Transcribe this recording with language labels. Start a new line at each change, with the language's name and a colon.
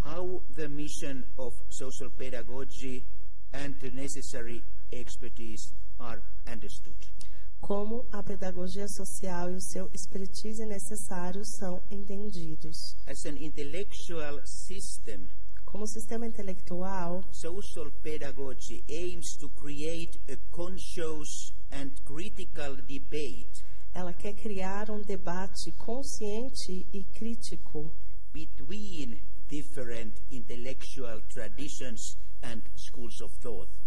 English: How the mission of social pedagogy and the necessary expertise are understood.
Portuguese: Como a pedagogia social e o seu expertise necessário são entendidos.
English: As an intellectual system,
Portuguese: como sistema intelectual,
English: social pedagogy aims to create a conscious and critical debate.
Portuguese: Ela quer criar um debate consciente e crítico
English: between different intellectual traditions and schools of thought.